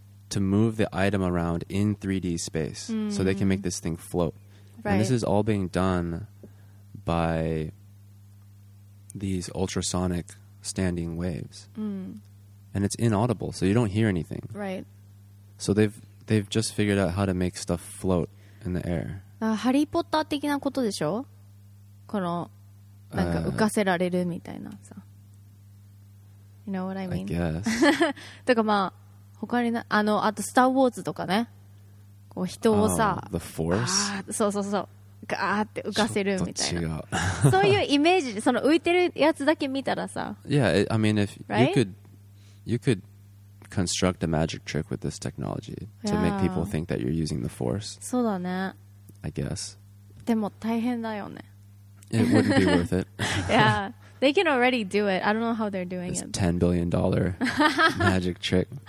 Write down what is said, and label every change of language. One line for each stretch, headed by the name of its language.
English: To move the item around in 3D space so they can make this thing float. Right. And this is all being done by these ultrasonic standing waves. And it's inaudible, so you don't hear anything. Right. So they've just figured out how to make stuff float in the air.
Japanese: ハリーポッター的なことでしょ?この、なんか浮かせられるみたいなさ。
English: You know what I mean? I guess.
Japanese: とかまあ、他にあのあとスターウォーズとかね、こう人をさ、
English: the force?
Japanese: あーそうそうそう、ガーって浮かせるみたいな、そういうイメージで、その浮いてるやつだけ見たらさ、
English: Yeah, I mean if、right? you could construct a magic trick with this technology to make people think that you're using the force.
Japanese: そうだね。
English: I guess.
Japanese: でも大変だよね。
English: It wouldn't be worth it. yeah. They can already do it. I don't know how they're doing it. It's $10 billion magic trick.